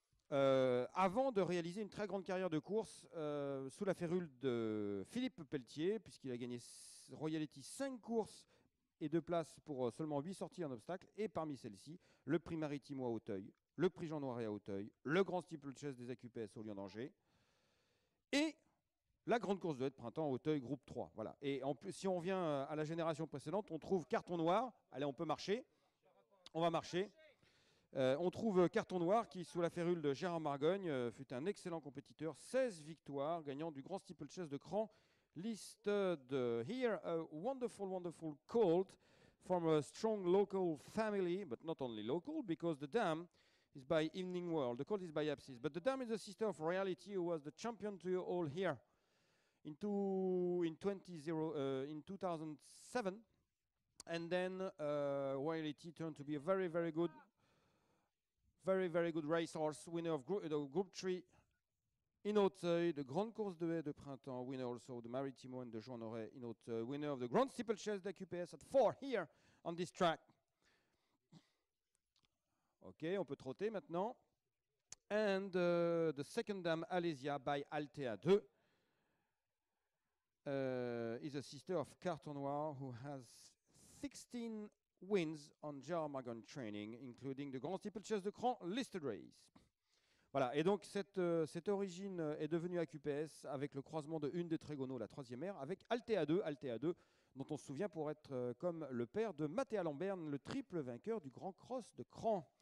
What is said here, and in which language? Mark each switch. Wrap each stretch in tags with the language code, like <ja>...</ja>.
<fr>Avant de réaliser une très grande carrière de course sous la férule de Philippe Pelletier, puisqu'il a gagné Royality 5 courses et 2 places pour seulement 8 sorties en obstacle, et parmi celles-ci, le prix Maritimo à Auteuil, le prix Jean Noiret à Auteuil, le grand steeplechase des AQPS au Lion d'Angers, et la grande course de l'été printemps à Auteuil, groupe 3. Voilà. Et en plus, si on revient à la génération précédente, on trouve Carton Noir. Allez, on peut marcher. On va marcher. On trouve Carton Noir qui, sous la férule de Gérard Margogne, fut un excellent compétiteur. 16 victoires, gagnant du grand steeplechase de Cran.</fr> <en>Liste de Hear a wonderful, wonderful call from a strong local family, but not only local, because the dam is by Evening World. The call is by Apsis. But the dam is the sister of Reality, who was the champion to you all here in 2007. And then Reality turned to be a very, very good. Very, very good racehorse, winner of Group 3 in Auteuil, the Grand Course de Haye de Printemps, winner also of the Maritimo and the Jean Noiret in Auteuil, winner of the Grand Steeplechase d'AQPS at 4 here on this track.</en> <fr>Ok, on peut trotter maintenant.</fr> <en>And the second dam, Alésia by Altea 2, is a sister of Carton Noir, who has 16 wins on Gérard Margogne Training, including the Grand Steeplechase de Cran Listed Race.</en> <fr>Voilà, et donc cette origine est devenue AQPS avec le croisement de une des Trégonaux, la troisième ère, avec Altea 2, dont on se souvient pour être comme le père de Mathéa Lamberne, le triple vainqueur du Grand Cross de Cran.</fr>